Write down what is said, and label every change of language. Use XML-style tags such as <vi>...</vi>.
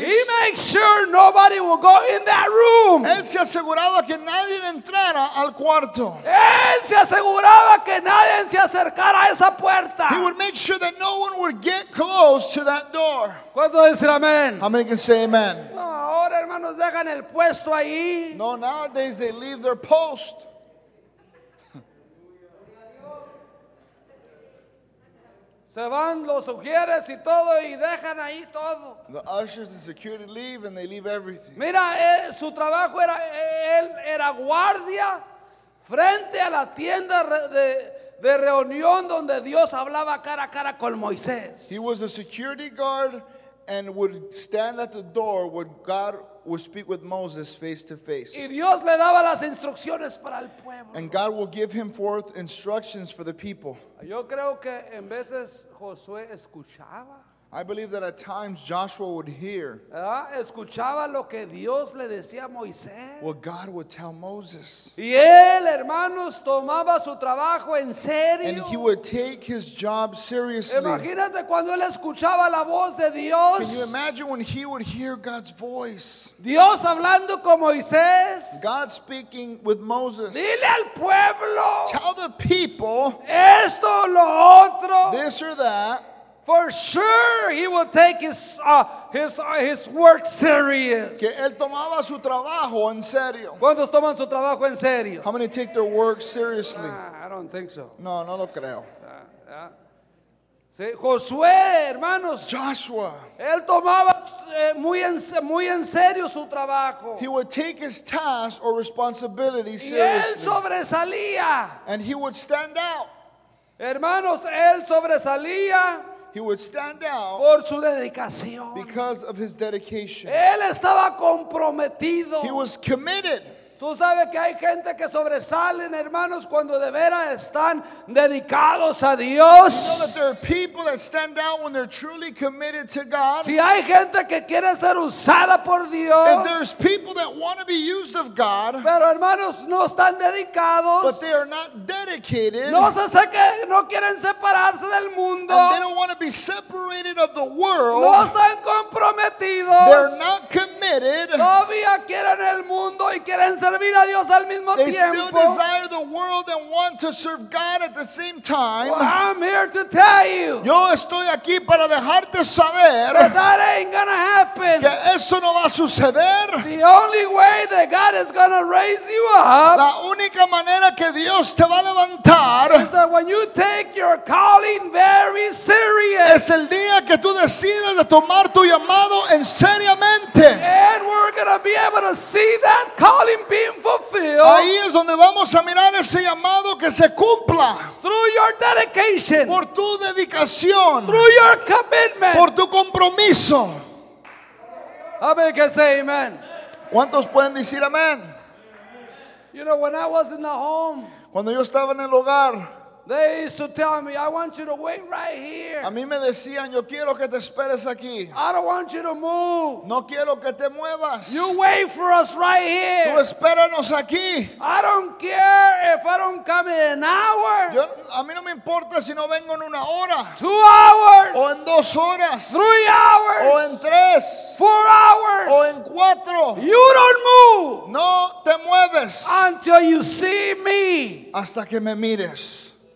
<en>He makes sure nobody will go in that room.</en> <es>Él se aseguraba que nadie entrara al cuarto. Él se aseguraba que nadie se acercara a esa puerta.</es> <en>He would make sure that no one would get close to that door.</en> <es>¿Cuánto dicen amén?</es> <en>How many can say amen?</en> <es>No, ahora hermanos dejan el puesto ahí.</es> <en>No, nowadays they leave their post.</en> <es>Se van los ujieres y todo y dejan ahí todo.</es> <en>The ushers and security leave and they leave everything.</en> <es>Mira, su trabajo era, él era guardia frente a la tienda de reunión donde Dios hablaba cara a cara con Moisés.</es> <en>He was a security guard and would stand at the door where God would speak with Moses face to face.</en> <es>Y Dios le daba las instrucciones para el pueblo.</es> <en>And God will give him forth instructions for the people.</en> <es>Yo creo que en veces Josué escuchaba.</es> <en>I believe that at times Joshua would hear</en> <es>escuchaba lo que Dios le decía a Moisés.</es> <en>What God would tell Moses.</en> <es>Y él, hermanos, tomaba su trabajo en serio.</es> <en>And he would take his job seriously.</en> <es>Imagínate cuando él escuchaba la voz de Dios.</es> <en>Can you imagine when he would hear God's voice?</en> <es>Dios hablando con Moisés.</es> <en>God speaking with Moses.</en> <es>Dile al pueblo.</es> <en>Tell the people.</en> <es>Esto, lo otro.</es> <en>This or that. For sure he will take his work serious.</en> <es>Que él tomaba su trabajo en serio. ¿Cuántos toman su trabajo en serio?</es> <en>How many take their work seriously? I don't think so.</en> <es>No, no lo creo. Josué, hermanos.</es> <en>Joshua.</en> <es>Él tomaba muy en serio su trabajo.</es> <en>He would take his task or responsibility seriously.</en> <es>Y él sobresalía.</es> <en>And he would stand out.</en> <es>Hermanos, él sobresalía.</es> <en>He would stand out</en> <es>por su dedicación.</es> <en>Because of his dedication.</en> <es>Él estaba comprometido.</es> <en>He was committed.</en> <es>Tú sabes que hay gente que sobresalen, hermanos, cuando de veras están dedicados a Dios.</es> <en>You know that there are people that stand out when they're truly committed to God.</en> <es>Si hay gente que quiere ser usada por Dios.</es> <en>If there's people that want to be used of God.</en> <es>Pero hermanos, no están dedicados.</es> <en>But they are not dedicated.</en> <es>No se sé que no quieren separarse del mundo.</es> <en>And they don't want to be separated of the world.</en> <es>No están comprometidos.</es> <en>They're not committed.</en> <es>Todavía quieren el mundo y quieren servir a Dios al mismo</es> <en>they</en> <es>tiempo.</es> <en>Still desire the world and want to serve God at the same time. Well, I'm here to tell you.</en> <es>Yo estoy aquí para dejarte saber</es> <en>that ain't gonna happen.</en> <es>Que eso no va a suceder.</es> <en>The only way that God is gonna raise you up.</en> <es>La única manera que Dios te va a levantar</es> <en>is that when you take your calling very serious.</en> <es>Es el día que tú decides de tomar tu llamado en seriamente.</es> <en>And we're gonna be able to see that calling. Being fulfilled.</en> <es>Ahí es donde vamos a mirar ese llamado que se cumpla.</es> <en>Through your dedication.</en> <es>Por tu dedicación.</es> <en>Through your commitment.</en> <es>Por tu compromiso.</es> <en>How many can say amen?</en> <es>¿Cuántos pueden decir amén?</es> <en>You know, when I was in the home.</en> <es>Cuando yo estaba en el hogar.</es> <en>They used to tell me, I want you to wait right here.</en> <es>A mí me decían, yo quiero que te esperes aquí.</es> <en>I don't want you to move.</en> <es>No quiero que te muevas.</es> <en>You wait for us right here.</en> <es>Tú espéranos aquí.</es> <en>I don't care if I don't come in an hour.</en> <es>Yo, a mí no me importa si no vengo en una hora.</es> <en>2 hours.</en> <es>O en 2 horas.</es> <en>3 hours.</en> <es>O en 3.</es> <en>4 hours.</en> <es>O en 4.</es> <en>You don't move.</en> <es>No te mueves.</es> <en>Until you see me.</en> <es>Hasta que me mires.</es>